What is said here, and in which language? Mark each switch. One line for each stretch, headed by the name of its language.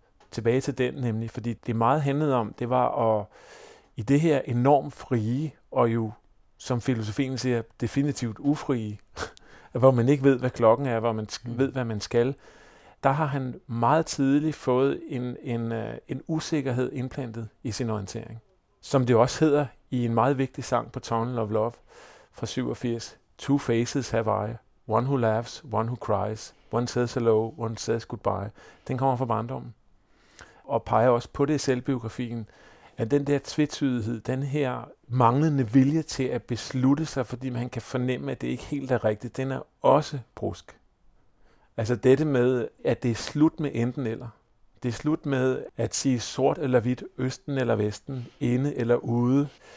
Danish: Tilbage til den nemlig, fordi det meget handlede om, det var at i det her enormt frie, og jo som filosofien siger, definitivt ufrie, hvor man ikke ved, hvad klokken er, hvor man ved, hvad man skal, der har han meget tidligt fået en usikkerhed indplantet i sin orientering. Som det også hedder i en meget vigtig sang på Tunnel of Love fra 87.
English: Two faces have I. One who laughs, one who cries. One says hello, one says goodbye.
Danish: Den kommer fra barndommen. Og peger også på det i selvbiografien, at den der tvetydighed, den her manglende vilje til at beslutte sig, fordi man kan fornemme, at det ikke helt er rigtigt, den er også brusk. Altså dette med, at det er slut med enten eller. Det er slut med at sige sort eller hvidt, østen eller vesten, inde eller ude.